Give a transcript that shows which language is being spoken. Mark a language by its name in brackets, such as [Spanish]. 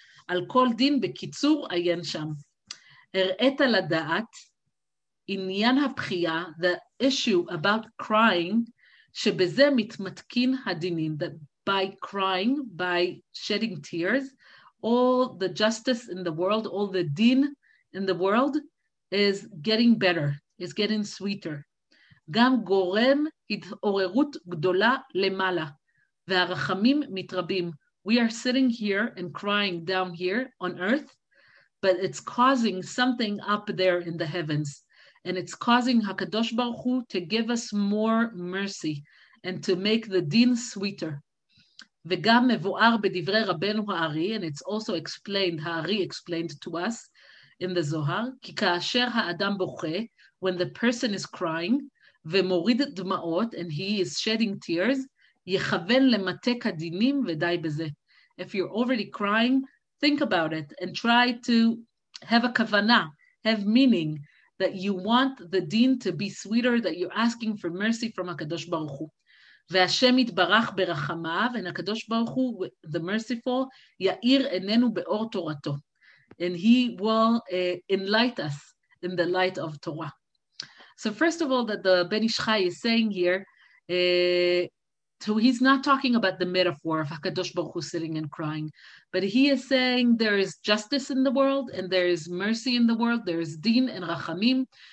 [Hebrew] על כל דין בקיצור עיין שם. הראית לדעת עניין הבחייה, [English] the issue about crying, [Hebrew] שבזה מתמתקין הדינים, [English] that by crying, by shedding tears, all the justice in the world, all the din in the world, is getting better, is getting sweeter. [Hebrew] גם גורם התעוררות גדולה למעלה, והרחמים מתרבים, [English] We are sitting here and crying down here on earth, but it's causing something up there in the heavens. And it's causing HaKadosh Baruch Hu to give us more mercy and to make the din sweeter. [Hebrew] וגם מבואר בדברי רבנו הארי, [English] and it's also explained, הארי explained to us in the Zohar, [Hebrew] כי כאשר האדם בוכה, [English] when the person is crying, [Hebrew] ומוריד דמעות, [English] and he is shedding tears, [Hebrew] יכוון למטה קדינים ודי בזה. [English] If you're already crying, think about it and try to have a kavana, have meaning, that you want the din to be sweeter, that you're asking for mercy from HaKadosh Baruch Hu. [Hebrew] והשם יתברך ברחמיו, and הקדוש ברוך הוא, [English] the merciful, [Hebrew] יאיר עינינו באור תורתו. [English] And he will enlighten us in the light of Torah. So first of all, that the Ben Ish Chai is saying here, so he's not talking about the metaphor of HaKadosh Baruch Hu sitting and crying, but he is saying there is justice in the world and there is mercy in the world, there is din and rachamim,